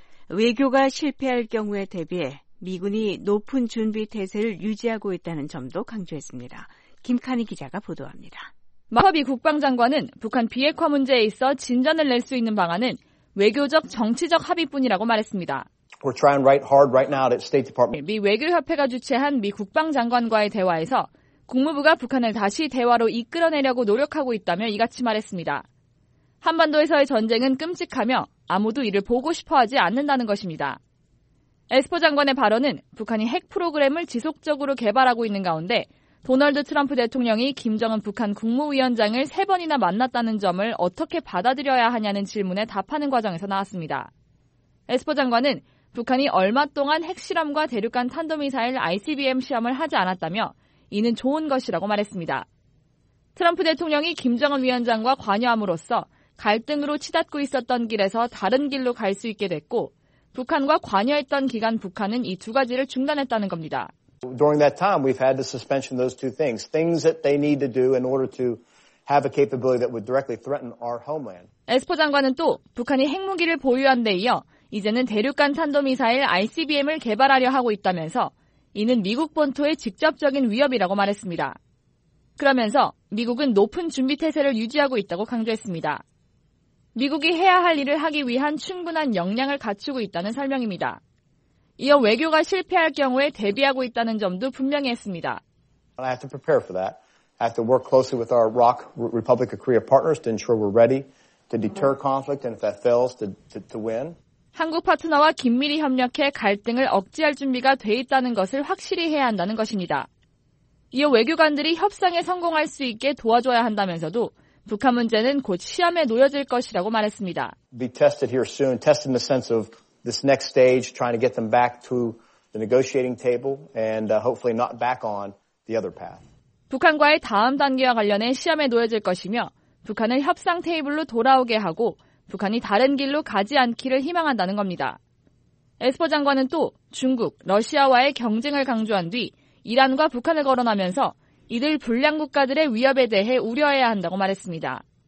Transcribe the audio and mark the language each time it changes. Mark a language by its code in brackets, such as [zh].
[ko] 외교가 실패할 경우에 대비해 미군이 높은 준비 태세를 유지하고 있다는 점도 강조했습니다. 김카니 기자가 보도합니다. 마커비 국방장관은 북한 비핵화 문제에 있어 진전을 낼 수 있는 방안은 외교적, 정치적 합의뿐이라고 말했습니다. [en] We're trying right hard right now at State Department. [ko] 미 외교협회가 주최한 미 국방장관과의 대화에서 국무부가 북한을 다시 대화로 이끌어내려고 노력하고 있다며 이같이 말했습니다. 한반도에서의 전쟁은 끔찍하며 아무도 이를 보고 싶어하지 않는다는 것입니다. 에스퍼 장관의 발언은 북한이 핵 프로그램을 지속적으로 개발하고 있는 가운데 도널드 트럼프 대통령이 김정은 북한 국무위원장을 세 번이나 만났다는 점을 어떻게 받아들여야 하냐는 질문에 답하는 과정에서 나왔습니다. 에스퍼 장관은 북한이 얼마 동안 핵실험과 대륙간 탄도미사일 ICBM 시험을 하지 않았다며 이는 좋은 것이라고 말했습니다. 트럼프 대통령이 김정은 위원장과 관여함으로써 갈등으로 치닫고 있었던 길에서 다른 길로 갈 수 있게 됐고 북한과 관여했던 기간 북한은 이 두 가지를 중단했다는 겁니다. [en] During that time, we've had the suspension of those two things. Things that they need to do in order to have a capability that would directly threaten our homeland. [ko] 에스퍼 장관은 또 북한이 핵무기를 보유한 데 이어 이제는 대륙간 탄도미사일 ICBM을 개발하려 하고 있다면서 이는 미국 본토의 직접적인 위협이라고 말했습니다. 그러면서 미국은 높은 준비태세를 유지하고 있다고 강조했습니다. 미국이 해야 할 일을 하기 위한 충분한 역량을 갖추고 있다는 설명입니다. 이어 외교가 실패할 경우에 대비하고 있다는 점도 분명히 했습니다. [en] I have to prepare for that. I have to work closely with our ROC, Republic of Korea partners, to ensure we're ready to deter conflict and if that fails, to win. [ko] 한국 파트너와 긴밀히 협력해 갈등을 억제할 준비가 돼 있다는 것을 확실히 해야 한다는 것입니다. 이어 외교관들이 협상에 성공할 수 있게 도와줘야 한다면서도 북한 문제는 곧 시험에 놓여질 것이라고 말했습니다. [en] Be tested here soon, test in the sense of this next stage, trying to get them back to the negotiating table and hopefully not back on the other path. [ko] 북한과의 다음 단계와 관련해 시험에 놓여질 것이며 북한을 협상 테이블로 돌아오게 하고 북한이 다른 길로 가지 않기를 희망한다는 겁니다. 에스퍼 장관은 또 중국, 러시아와의 경쟁을 강조한 뒤 이란과 북한을 거론하면서 이들 불량 국가들의 위협에 대해 우려해야 한다고 말했습니다.